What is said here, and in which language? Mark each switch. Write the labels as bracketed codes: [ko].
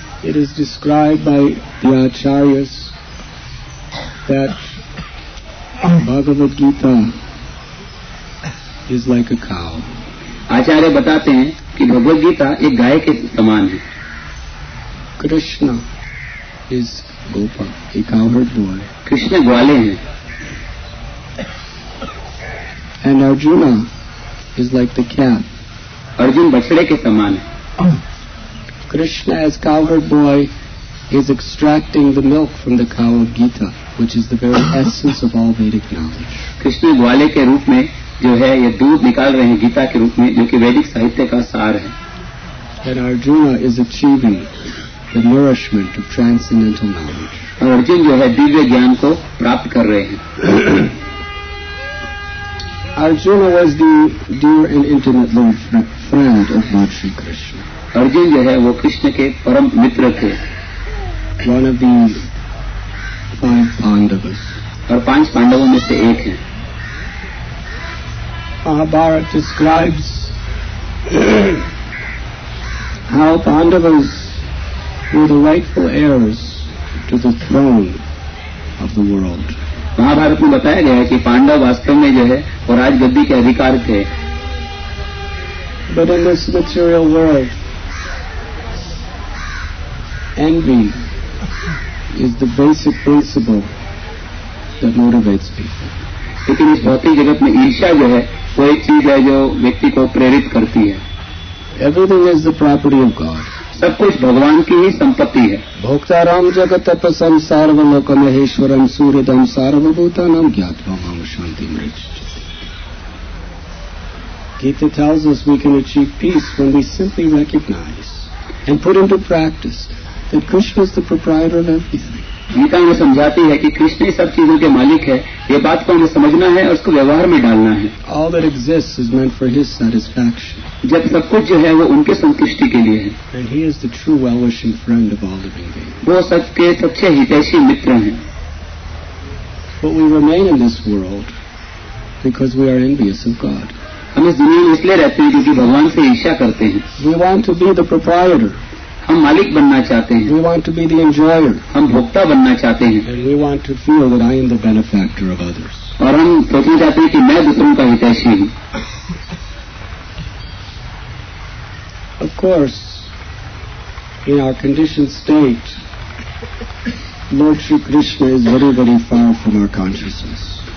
[en] it is describe by the [hi] acharyas [en] That Bhagavad Gita is like a cow. [hi] आचार्य बताते हैं कि भगवद गीता एक गाय के समान है. [en] Krishna is Gopa, a cowherd boy. [hi] Krishna ग्वाले हैं. [en] And Arjuna is like the calf. [hi] Arjun बछड़े के समान है. [en] Krishna as cowherd boy is extracting the milk from the cow of Gita, which is the very essence of all Vedic knowledge. [hi] Krishna ग्वाले के रूप में जो है ये दूध निकाल रहे हैं गीता के रूप में जो कि वैदिक साहित्य का सार है. [en] And Arjuna is achieving the nourishment of transcendental knowledge. [hi] और अर्जुन जो है दिव्य ज्ञान को प्राप्त कर रहे हैं. [en] Arjuna was the dear and intimate friend of Lord Shri Krishna. [hi] Arjun जो है वो कृष्ण के परम मित्र थे. [en] One of the five Pandavas. [hi] और पांच पांडवों में से एक है. [en] Mahabharat describes how Pandavas were the rightful heirs to the throne of the world. [hi] Mahabharat में बताया गया है कि पांडव वास्तव में जो है वो राजगद्दी के अधिकारी थे. [en] But in this material world, envy is the basic principle that motivates people. [hi] लेकिन इस भौतिक जगत में ईर्ष्या जो है वो एक चीज है जो व्यक्ति को प्रेरित करती है. [en] Everything is the property of God. [hi] सब कुछ भगवान की ही संपत्ति है. [sa] भोक्ता राम जगत तपसम सार्वलोक महेश्वरम सूर्यदम सार्वभूतानम ज्ञात्वा मम शांति मृज. [en] Gita tells us we can achieve peace when we simply recognise and put into practice that Krishna is the proprietor of everything. [hi] Gita हमें समझाती है कि कृष्ण ही सब चीजों के मालिक है. ये बात को हमें समझना है और उसको व्यवहार में डालना है. [en] All that exists is meant for his satisfaction. [hi] जब सब कुछ जो है वो उनके संतुष्टि के लिए है. [en] And he is the true well-wishing friend of all living beings. [hi] वो सबके सबसे हितैषी मित्र हैं. [en] But we remain in this world because we are envious of God. [hi] हम इस दुनिया में इसलिए रहते हैं क्योंकि भगवान से ईर्ष्या करते हैं. [en] We want to be the proprietor. [hi] हम मालिक बनना चाहते हैं. [en] We want to be the enjoyer. [hi] हम भोक्ता बनना चाहते हैं. [en] And we want to feel that I am the benefactor of others. [hi] और हम सोचना चाहते हैं कि मैं दूसरों का हितैषी हूं. [en] Of course, in our conditioned state, Lord Shri Krishna is very, very far from our consciousness.